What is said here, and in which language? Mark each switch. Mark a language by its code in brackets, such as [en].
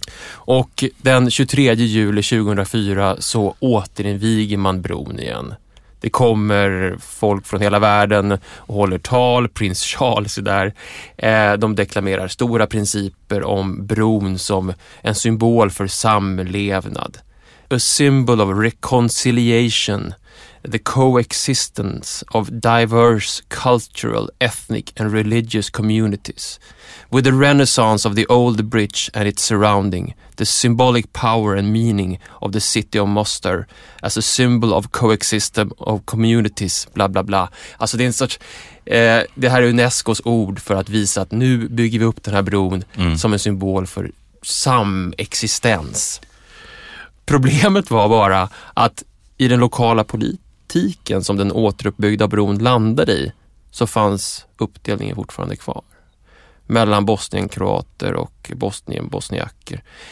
[sv] Och den 23 juli 2004 så återinviger man bron igen. Det kommer folk från hela världen och håller tal, prins Charles är där. De deklamerar stora principer om bron som en symbol för samlevnad. [en] A symbol of reconciliation, the coexistence of diverse cultural, ethnic and religious communities. With the renaissance of the old bridge and its surrounding, the symbolic power and meaning of the city of Mostar as a symbol of coexistence of communities, bla bla bla. [sv] Alltså det är en sorts, det här är UNESCOs ord för att visa att nu bygger vi upp den här bron som en symbol för samexistens. Problemet var bara att i den lokala politiken som den återuppbyggda bron landade i så fanns uppdelningen fortfarande kvar mellan bosnienkroater och bosnien-bosniaker.